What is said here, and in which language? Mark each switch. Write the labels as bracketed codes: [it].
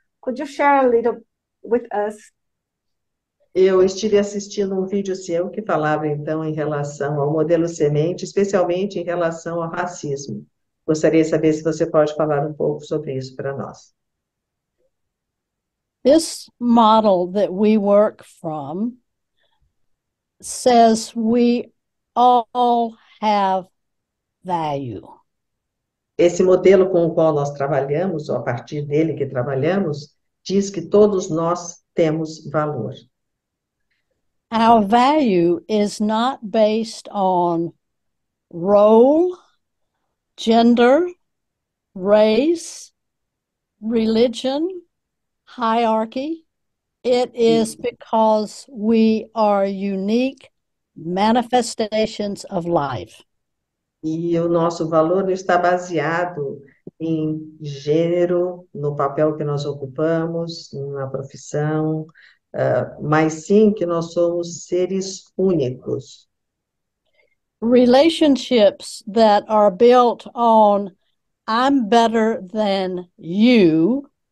[en] Could you share a little with us? [pt] Eu estive assistindo um vídeo seu que falava então em relação ao modelo semente, especialmente em relação ao racismo. Gostaria de saber se você pode falar um pouco sobre isso para nós. [en] This model that we work from says we all have value. [pt] Esse modelo com o qual nós trabalhamos, ou a partir dele que trabalhamos, diz que todos nós temos valor. [en] Our value is not based on role, gender, race, religion. Hierarchy, it is because we are unique manifestations of life. [pt] E o nosso valor não está baseado em gênero, no papel que nós ocupamos, na profissão, mas sim que nós somos seres únicos. [en] Relationships that are built on I'm better than you.